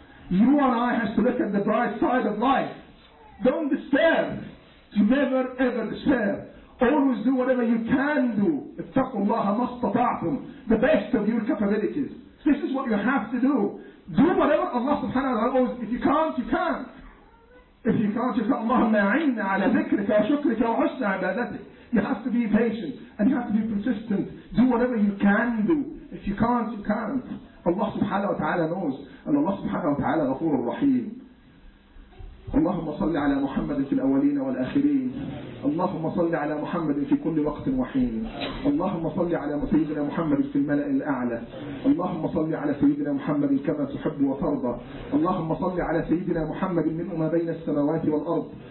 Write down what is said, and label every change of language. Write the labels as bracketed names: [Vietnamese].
[English] You and I have to look at the bright side of life. Don't despair. Never ever despair. Always do whatever you can do. [Arabic] اتقوا الله ما استطعتم. [English] The best of your capabilities. This is what you have to do. Do whatever Allah subhanahu wa ta'ala always. If you can't, you can't. If you can't, you can't. [Arabic] اللهم أعنا على ذكرك وشكرك وحسن عبادتك. [English] You have to be patient and you have to be persistent. Do whatever you can do. If you can't, you can't. Allah subhanahu wa ta'ala knows, and Allah subhanahu wa ta'ala [Arabic] غفور الرحيم. اللهم صل على محمد في الأولين والآخرين. اللهم صل على محمد في كل وقت وحين. اللهم صل على سيدنا محمد في الملأ الأعلى. اللهم صل على سيدنا محمد كما تحب وترضى. اللهم صل على سيدنا محمد من ما بين السماوات والأرض.